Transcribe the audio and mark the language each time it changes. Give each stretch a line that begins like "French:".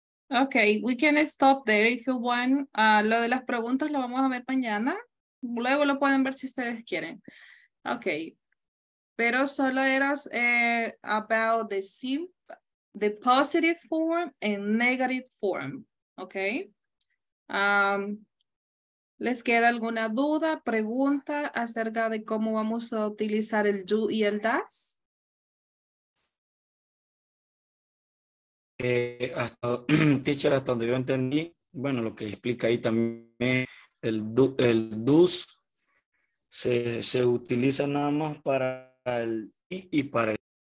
English: Okay, we can stop there if you want.
Spanish: Lo de las preguntas lo vamos a ver mañana. Luego lo pueden ver si ustedes quieren. Okay. Pero solo eras
English: about the simple, the positive form and negative form. Okay.
Spanish: ¿Les queda alguna duda, pregunta acerca de cómo vamos a utilizar el do y el does? Hasta, teacher, hasta donde yo entendí, bueno, lo que explica ahí también, el dos se utiliza nada más para el y para el.